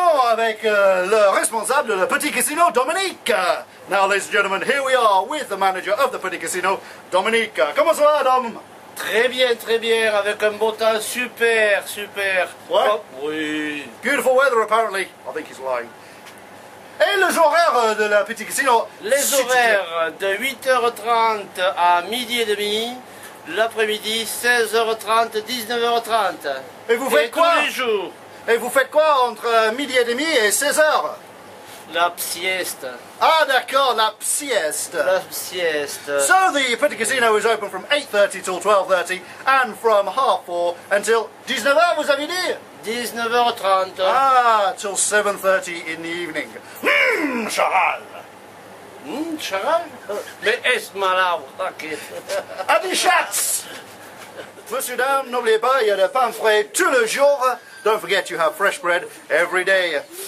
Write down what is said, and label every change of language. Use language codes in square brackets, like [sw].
[fr] Avec le responsable de le Petit Casino, Dominique. [en] Now, ladies and gentlemen, here we are with the manager of the Petit Casino, Dominique. [fr] Comment ça va, Dom? Très bien, avec un beau temps, super, super. [en] What? Oh, [fr] oui. [en] Beautiful weather, apparently. I think he's lying. [fr] Et les horaires de le Petit Casino? Les horaires de 8h30 à midi et demi, l'après-midi 16h30, 19h30. Et vous faites quoi? Tous les jours. Et vous faites quoi entre midi et demi et 16h? La sieste. Ah d'accord, la sieste. La sieste. [en] So the Petit Casino is open from 8:30 till 12:30 and from 4:30 until 19h, [fr] vous avez dit? 19h30. [en] Ah, till 7:30 in the evening. Mmm, Charal. [fr] Mmm, Charal? Mais est-ce malade, t'inquiète. A des chats. Monsieur, dame, n'oubliez pas, il y a des pains frais tout le jour. [en] Don't forget, you have fresh bread every day.